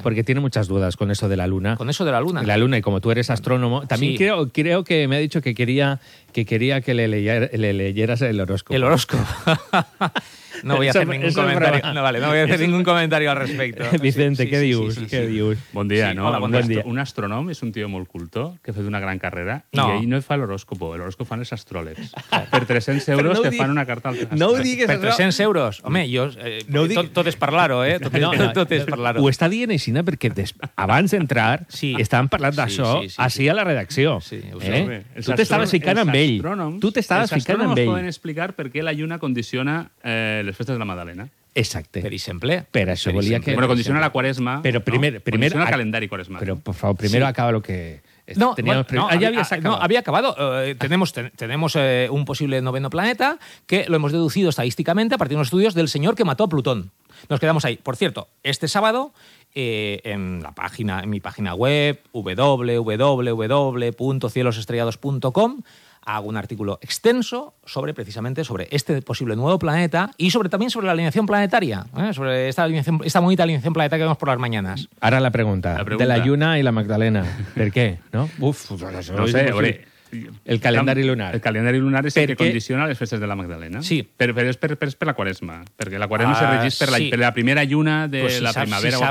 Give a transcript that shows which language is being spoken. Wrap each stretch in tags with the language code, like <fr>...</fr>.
<es>Porque tiene muchas dudas con eso de la Luna. Con eso de la Luna. La Luna, y como tú eres astrónomo, también creo que me ha dicho que quería que le leyeras el horóscopo. El horóscopo. No voy a hacer ningún comentario. No, vale, no voy a hacer ningún comentario al respecto.</es> <ca>Vicente, sí, qué dius. Bon dia, sí, no? Hola, bon dia. Un astrònom és un tio molt culto que ha fet una gran carrera no. I ell no fa l'horòscopo, l'horòscop fan els astròlegs. Per 300 euros te fan una carta al No ho digues, per 300 euros? Home, jo... tot és parlar-ho, eh? Tot és parlar-ho. Ho està dient aixina perquè abans d'entrar estàvem parlant d'això així a la redacció. Tu t'estaves ficant amb ell. Els astrònoms poden explicar per què la Lluna condiciona les festes de la Magdalena. Exacte. Per exemple. Per això volia que... Bueno, condiciona la Quaresma. Però primer... No? Primer condiciona el calendari Quaresma.</ca> <es>Però, por favor, primero sí. Acaba lo que... No, había acabado. Tenemos un posible noveno planeta que lo hemos deducido estadísticamente a partir de unos estudios del señor que mató a Plutón. Nos quedamos ahí. Por cierto, este sábado, en mi página web, www.cielosestrellados.com, hago un artículo extenso sobre este posible nuevo planeta y también sobre la alineación planetaria, sobre esta bonita alineación planetaria que vemos por las mañanas. Ahora la pregunta. De la Lluna y la Magdalena. ¿Por qué? ¿No? Uf, no sé.</es> <ca>El calendari lunar. El calendari lunar és el que condiciona les festes de la Magdalena. Sí. Però és per la Quaresma. Perquè la Quaresma se regeix per la primera lluna de la primavera.</ca>